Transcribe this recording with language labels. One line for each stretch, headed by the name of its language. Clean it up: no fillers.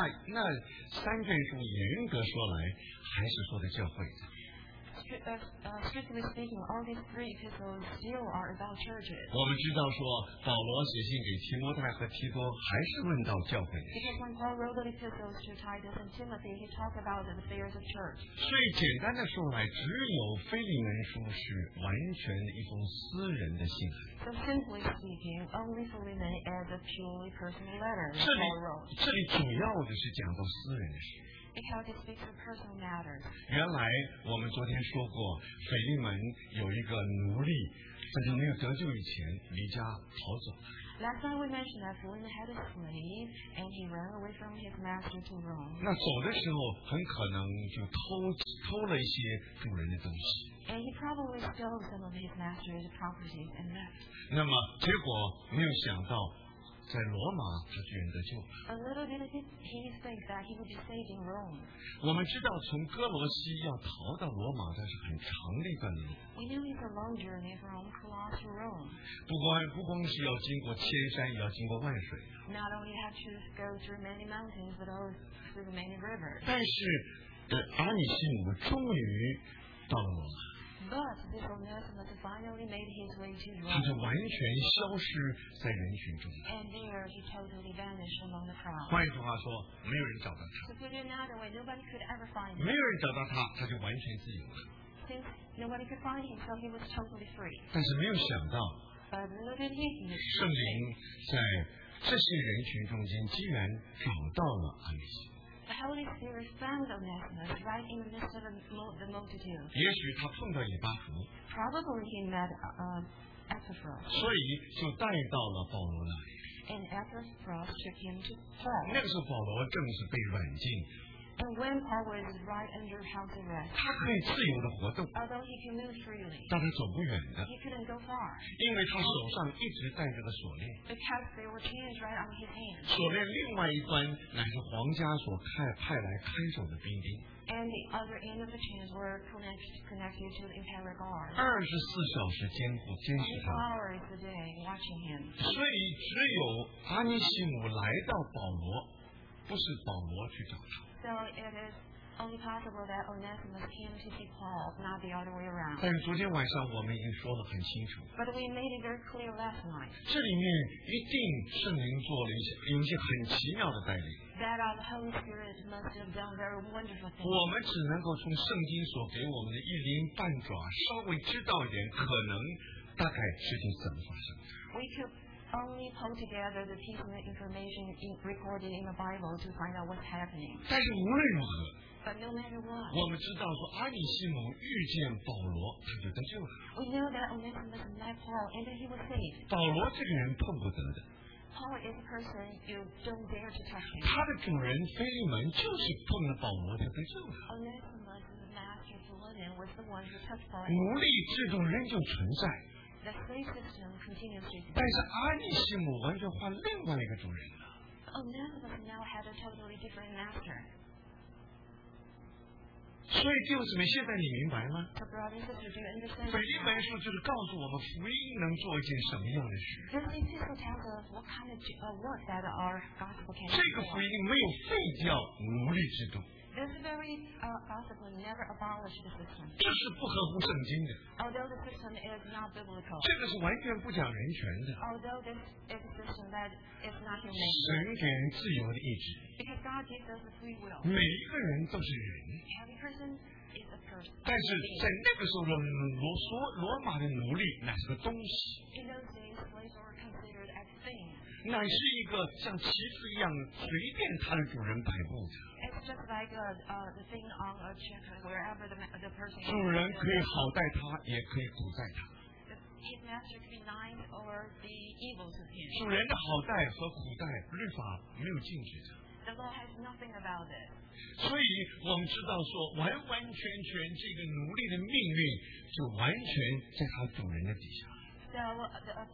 Chinese: 那三卷书严格说来还是说的教会。
English: Strictly speaking, all these three epistles still are about churches.
Chinese: 我们知道说保罗写信给提摩太和提多还是论到教会。
English: Because when Paul wrote the epistles to Titus and Timothy, he talked about the affairs of church.
Chinese: 最简单的说来，只有腓利门书是完全一封私人的信。
English: So simply speaking, only Philemon is a purely personal letter that Paul wrote.
Chinese: 这里主要的是讲到私人的事。
English: Because it speaks of personal matters.
Chinese: 原来我们昨天说过，腓利门有一个奴隶，在他没有得救以前离家逃走。
English: Last time we mentioned that Philemon had a slave and he ran away from his master to Rome.
Chinese: 那走的时候很可能就偷了一些主人的东西。
English: And he probably stole some of his master's properties and left.
Chinese: 那么结果没有想到。在罗马他居然得救。
English: A little bit of he thinks that he would be saved in Rome.
Chinese: 我们知道从哥罗西要逃到罗马那是很长的一段路。
English: We knew it's a long journey from Colossae to Rome.
Chinese: 不光是要经过千山，也要经过万水。
English: Not only have to go through many mountains, but also through many rivers.
Chinese: 但是阿尼西姆终于到了罗马。
English: But this Onesimus finally made his way to Rome.
Chinese: 他就完全消失在人群中。
English: And there he totally vanished among the crowd.
Chinese: 换句话说，没有人找到他。
English: To put it another way, nobody could ever find him.
Chinese: 没有人找到他，他就完全自由了。
English: Since nobody could find him, so he was totally free.
Chinese: 但是没有想到。
English: But little did he know.
Chinese: 圣灵在这些人群中间，竟然找到了安息。
English: The Holy Spirit found Onesimus right in the midst of the multitude.
Chinese: 也许他碰到以巴弗。
English: Probably he met Epaphras.
Chinese: 所以就带到了保罗那里。
English: And Epaphras took him to Paul.
Chinese: 那个时候保罗正是被软禁。
English: And when Paul was right under house arrest,
Chinese: 他可以自由的活动。
English: Although he can move freely,
Chinese: 但他走不远的。
English: He couldn't go far.
Chinese: 因为他手上一直戴着的锁链。
English: Because they were chained right on his hands.
Chinese: 锁链另外一端乃是皇家所派来看守的兵丁。
English: And the other end of the chains were connected to the imperial guard.
Chinese: 24小时监护监视他。
English: 24 hours a day watching him.
Chinese: 所以只有阿尼西姆来到保罗，不是保罗去找他。
English: So it is only possible that Onesimus came to see Paul, not the other way around.
Chinese: 但是昨天晚上我们已经说得很清楚。
English: But we made it very clear last night.
Chinese: 这里面一定圣灵做了一些很奇妙的带领。
English: That our Holy Spirit must have done very wonderful things.
Chinese: 我们只能够从圣经所给我们的一鳞半爪稍微知道一点，可能大概事情怎么发生。
English: We could only pull together the piece of information recorded in the Bible to find out what's happening.
Chinese: 但是无论如何，
English: but no matter what,
Chinese: 我们知道说阿尼西姆遇见保罗，他就得救了。
English: We know that Onesimus met Paul and that he was saved.
Chinese: 保罗这个人碰不得的。
English: Paul is a person you don't dare to touch him.
Chinese: 他的主人腓利门就是碰了保罗，他得救了。
English: Onesimus, the master Philemon, was the one who touched Paul.
Chinese: 奴隶制度仍旧存在。
English: The slave system continues to exist.
Chinese: 但是阿尼西姆完全换另外一个主人了。
English: Onesimus now had a totally different master.
Chinese: 所以弟兄姊妹，现在你明白吗？
English: So brothers, do you understand?
Chinese: 腓立门书就是告诉我们福音能做一件什么样的事。这个福音没有废掉奴隶制度。
English: This very gospel never abolished the system.
Chinese: 这是不合乎圣经的。
English: Although the system is not biblical.
Chinese: 这个是完全不讲人权的。
English: Although this is a system that is not human.
Chinese: 神给人自由的意志。
English: Because God gives us a free will.
Chinese: 每一个人都是人。
English: Every person is a person.
Chinese: 但是在那个时候的罗马的奴隶乃是个东西。
English: In those days, slaves were considered as things.
Chinese: 乃是一个像棋子一样随便他的主人摆布的。
English: It's just like the thing on a chair wherever the person.
Chinese: 主人可以好待他，也可以苦待他。
English: His master can be nice or be evil to him.
Chinese: 主人的好待和苦待，律法没有禁止的。
English: The law has nothing about it.
Chinese: 所以我们知道说，完完全全这个奴隶的命运就完全在他主人的底下。